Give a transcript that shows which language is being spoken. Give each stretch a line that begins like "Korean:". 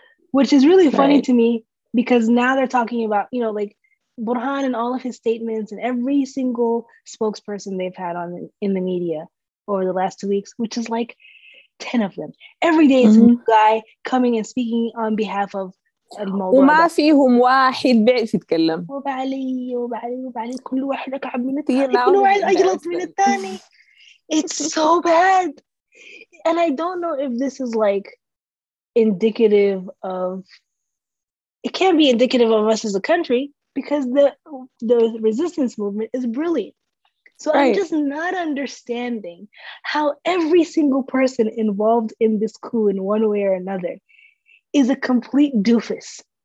English: Which is really funny right. to me, because now they're talking about, you know, like Burhan and all of his statements and every single spokesperson they've had on in the media over the last 2 weeks, which is like 10 of them. Every day it's mm-hmm. a new guy coming and speaking on behalf of
Arabic: الموضوع. وما فيهم واحد بعرف يتكلم. وبعلي كل واحد أكعب من الثاني. كل واحد أجلط من الثاني.
English: It's so bad. And I don't know if this is like indicative of, it can't be indicative of us as a country, because the resistance movement is brilliant. So right. I'm just not understanding how every single person involved in this coup in one way or another is a complete doofus.